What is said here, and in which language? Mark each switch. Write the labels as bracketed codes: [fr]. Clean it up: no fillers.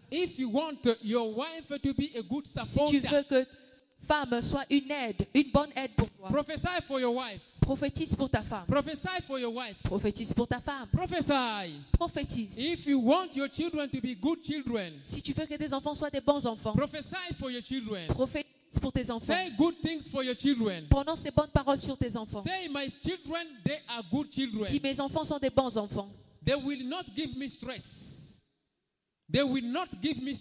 [en] If you want your wife to be a good supporter. [fr] Si tu veux que femme soit une aide, une bonne aide pour toi. [en] Prophesy for your wife. [fr] Prophétise pour ta femme. [en] Prophesy for your wife. [fr] Prophétise pour ta femme. [en] Prophesy. [fr] Prophétise. [en] If you want your children to be good children. [fr] Si tu veux que tes enfants soient des bons enfants. [en] Prophesy for your children. [fr] Prophétise pour tes enfants. [en] Say good things for your children. [fr] Prononce des bonnes paroles sur tes enfants. [en] Say my children, they are good children. [fr] Dis mes enfants sont des bons enfants. [en] They will not give me stress. They will not give me stress.